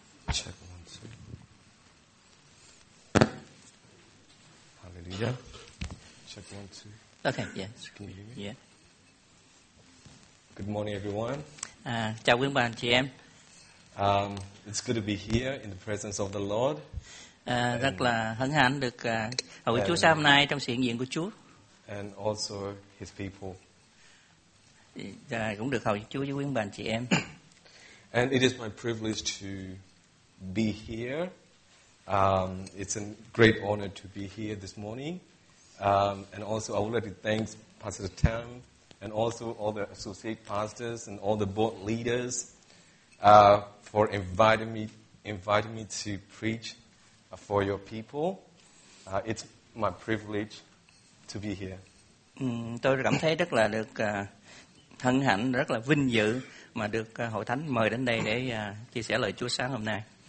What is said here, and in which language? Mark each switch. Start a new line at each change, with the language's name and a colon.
English: Check one, two. Hallelujah. Check one, two. Okay, yes. Can you hear me? Yeah. Good morning, everyone.
Vietnamese: Chào quý bạn, chị em.
English: It's good to be here in the presence of the Lord.
Vietnamese: Rất là hân hạnh được hầu Chúa sáng hôm nay trong sự hiện diện của Chúa.
English: And also His people.
Vietnamese: Cũng được hầu Chúa với quý bạn, chị em.
English: And it is my privilege to be here. It's a great honor to be here this morning. And also I would like to thank Pastor Tam and also all the associate pastors and all the board leaders for inviting me to preach for your people. It's my privilege to be here.
Vietnamese: Tôi cảm thấy rất là được hân hạnh, rất là vinh dự mà được Hội Thánh mời đến đây để chia sẻ lời Chúa sáng hôm nay.